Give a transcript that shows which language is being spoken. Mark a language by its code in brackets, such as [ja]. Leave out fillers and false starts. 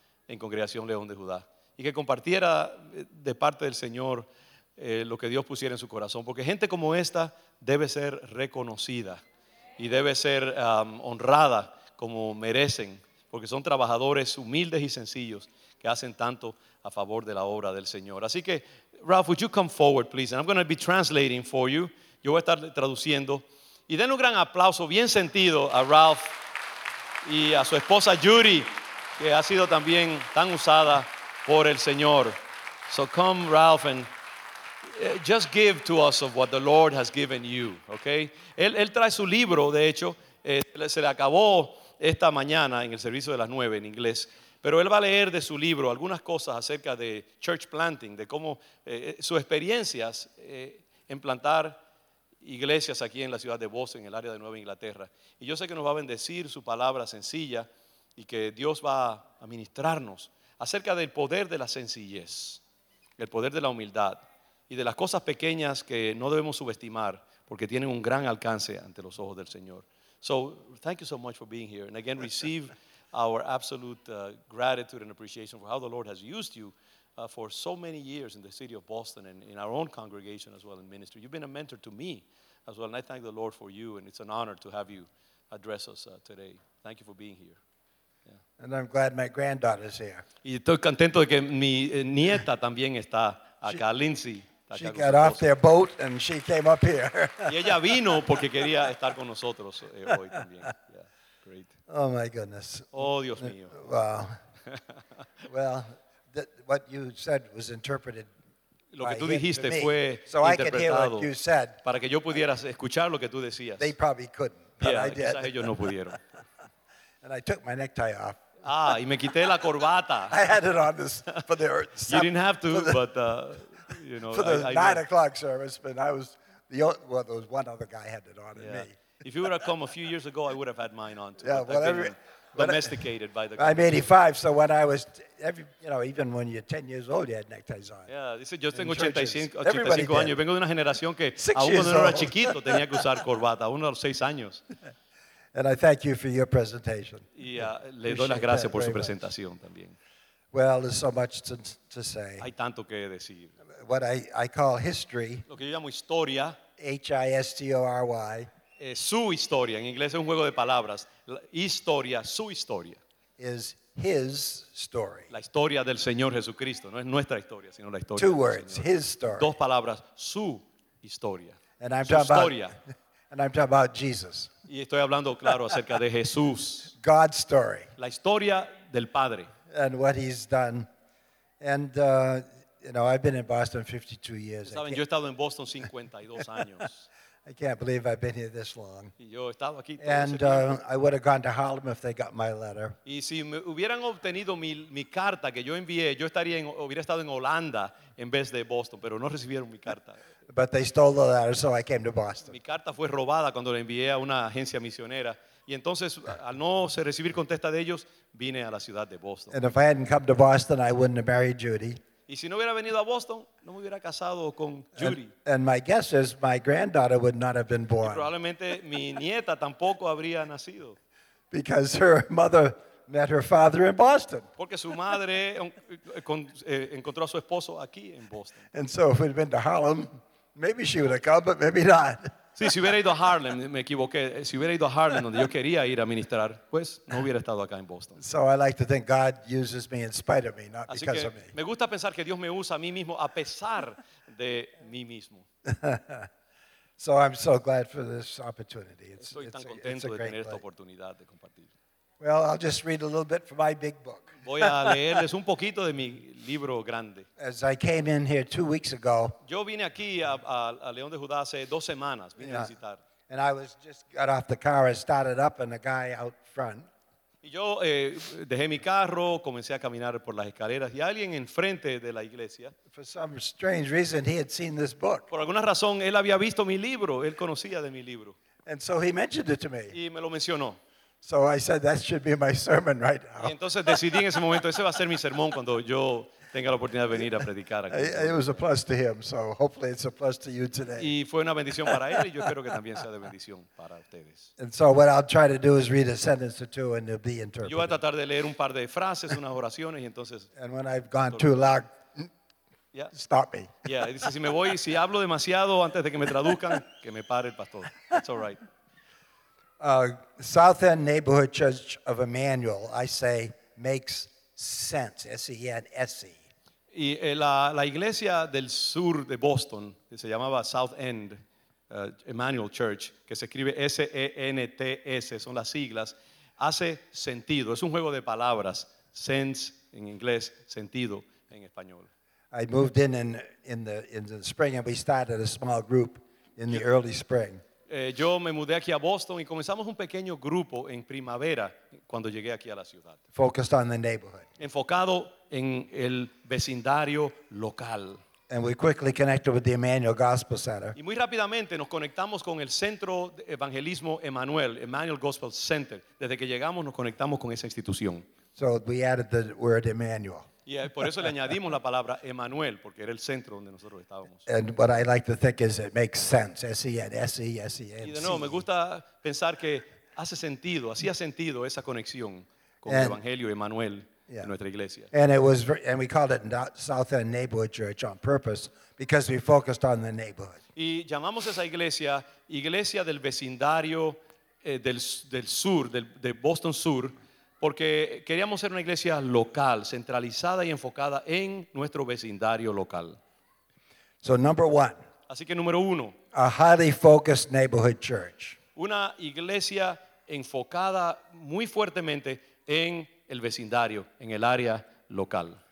[es] en Congregación León de Judá y que compartiera de parte del Señor lo que Dios pusiera en su corazón, porque gente como esta debe ser reconocida y debe ser honrada como merecen, porque son trabajadores humildes y sencillos que hacen tanto a favor de la obra del Señor. Así que, [en] Ralph, would you come forward, please? And I'm going to be translating for you. [es] Yo voy a estar traduciendo. Y den un gran aplauso, bien sentido, a Ralph y a su esposa Judy, que ha sido también tan usada por el Señor. [en] So come, Ralph, and just give to us of what the Lord has given you, okay? [es] Él trae su libro, de hecho, se le acabó esta mañana en el servicio de las 9 en inglés. Pero él va a leer de su libro algunas cosas acerca de [en] church planting, [es] de cómo sus experiencias en plantar iglesias aquí en la ciudad de Boston, en el área de Nueva Inglaterra. Y yo sé que nos va a bendecir su palabra sencilla y que Dios va a ministrarnos acerca del poder de la sencillez, el poder de la humildad y de las cosas pequeñas que no debemos subestimar porque tienen un gran alcance ante los ojos del Señor. [en] So, thank you so much for being here. And again, receive our absolute gratitude and appreciation for how the Lord has used you for so many years in the city of Boston and in our own congregation as well in ministry. You've been a mentor to me as well, and I thank the Lord for you, and it's an honor to have you address us today. Thank you for being here. Yeah. And I'm glad my granddaughter's here. [es] Y estoy contento de que mi nieta también está acá, Lindsay. [en] She got off their boat and she came up here. [es] Y ella vino porque quería estar con nosotros hoy también. [en] great. Oh, my goodness. [es] Oh, Dios mío. [en] Wow. Well, what you said was interpreted. [es] Lo que tú dijiste fue [en] so [es] interpretado [en] you said, [es] para que yo pudiera escuchar lo que tú decías. [en] They probably couldn't, but yeah, I did. [es] Quizás ellos no pudieron. [en] And I took my necktie off. [es] Ah, y me quité la corbata. [en] I had it on this for the earth. You didn't have to, but you know. For the 9 o'clock service, but I was the only, well, there was one other guy had it on, and me. If you would have come a few years ago, I would have had mine on too. Yeah, but whatever. Domesticated by the I'm community. 85, so when I was, even when you're 10 years old, you had neckties on. [es] Yeah, dice, yo tengo 85 años. Vengo de una generación que aún cuando era chiquito tenía que usar corbata, uno a los 6 años. [en] And I thank you for your presentation. [es] Le doy las gracias por su presentación también. [en] Well, there's so much to say. [es] Hay tanto que decir. [en] What I call history, [es] lo que yo llamo historia, [en] H-I-S-T-O-R-Y, [es] su historia, en inglés es un juego de palabras. Historia, su historia. [en] Is his story. [es] La historia del Señor Jesucristo. No es nuestra historia, sino la historia [en] Two words, [es] Señor. [en] His story. [es] Dos palabras, su historia. [en] And I'm [es] su [en] talking [es] historia. [en] About, and I'm talking about Jesus. [es] Y estoy hablando, claro, acerca de Jesús. [en] God's story. [es] La historia del Padre. [en] And what he's done. And, you know, I've been in Boston 52 years. [es] ¿Saben? Yo he estado en Boston 52 años. [en] I can't believe I've been here this long. [es] Yo estaba aquí [en] and I would have gone to Harlem if they got my letter. [es] Y si me hubieran obtenido mi carta que yo envié, yo estaría en, hubiera estado en Holanda en vez de Boston, pero no recibieron mi carta. [en] But they stole the letter, so I came to Boston. [es] Mi carta fue robada cuando la envié a una agencia misionera. Y entonces, al no recibir contesta de ellos, vine a la ciudad de Boston. [en] And if I hadn't come to Boston, I wouldn't have married Judy. [es] Y si no hubiera venido a Boston, no me hubiera casado con Judy. [en] And my guess is my granddaughter would not have been born. [es] Y probablemente mi nieta tampoco habría nacido. [en] Because her mother met her father in Boston. [es] Porque su madre encontró a su esposo aquí en Boston. [en] And so if we'd been to Harlem, maybe she would have come, but maybe not. [es] Sí, si hubiera ido a Harlem, me equivoqué. Si hubiera ido a Harlem, donde yo quería ir a ministrar, pues no hubiera estado acá en Boston. [en] So I like to think God uses me in spite of me, not because of me. [es] Me gusta pensar que Dios me usa a mí mismo a pesar de mí mismo. [en] So I'm so glad for this opportunity. [es] Estoy tan contento de tener esta oportunidad de compartir. [en] Well, I'll just read a little bit from my big book. [es] Voy a leerles un poquito de mi libro grande. [en] As I came in here 2 weeks ago. [es] Yo vine aquí a León de Judá hace dos semanas. Vine a visitar. [en] And I was just got off the car and started up, and a guy out front. [es] Y yo dejé mi carro, comencé a caminar por las escaleras, y alguien enfrente de la iglesia. [en] For some strange reason, he had seen this book. [es] Por alguna razón, él había visto mi libro. Él conocía de mi libro. [en] And so he mentioned it to me. [es] Y me lo mencionó. [en] So I said that should be my sermon right now. [es] Entonces decidí en ese momento ese va a ser mi sermón cuando yo tenga la oportunidad de venir a predicar aquí. [en] It was a plus to him, so hopefully it's a plus to you today. [es] Y fue una bendición para él y yo espero que también sea de bendición para ustedes. [en] And so what I'll try to do is read a sentence or two and it'll be interpreted. [es] Yo voy a tratar de leer un par de frases, unas oraciones y entonces. [en] And when I've gone too loud, stop me. [es] Yeah, dice si me voy si hablo demasiado antes de que me traduzcan que me pare el pastor. [en] That's all right. South End Neighborhood Church of Emmanuel, I say, makes sense. S-E-N-S-E. [es] Y la iglesia del sur de Boston, que se llamaba South End Emmanuel Church, que se escribe S-E-N-T-S, son las siglas, hace sentido. Es un juego de palabras. Sense en inglés, sentido en español. [en] I moved in the spring and we started a small group in the early spring. [es] Yo me mudé aquí a Boston y comenzamos un pequeño grupo en primavera cuando llegué aquí a la ciudad. [en] Focused on the neighborhood. [es] Enfocado en el vecindario local. [en] And we quickly connected with the Emmanuel Gospel Center. [es] Y muy rápidamente nos conectamos con el Centro de Evangelismo Emmanuel, Emmanuel Gospel Center. Desde que llegamos nos conectamos con esa institución. [en] So we added the word Emmanuel. [es] Y por eso le añadimos la palabra Emmanuel, porque era el centro donde nosotros estábamos. [en] And what I like to think is it makes sense. S-E-N-S-E-S-E-N-C. [es] Y de nuevo, me gusta pensar que hace sentido, hacía sentido esa conexión con el Evangelio Emmanuel en nuestra iglesia. [en] And it was, and we called it South End Neighborhood Church on purpose because we focused on the neighborhood. [es] Y llamamos esa iglesia, Iglesia del Vecindario del Sur, de Boston Sur, porque queríamos ser una iglesia local, centralizada y enfocada en nuestro vecindario local. [en] So number one. [es] Así que número uno. [en] A highly focused neighborhood church. [es] Una iglesia enfocada muy fuertemente en el vecindario, en el área local.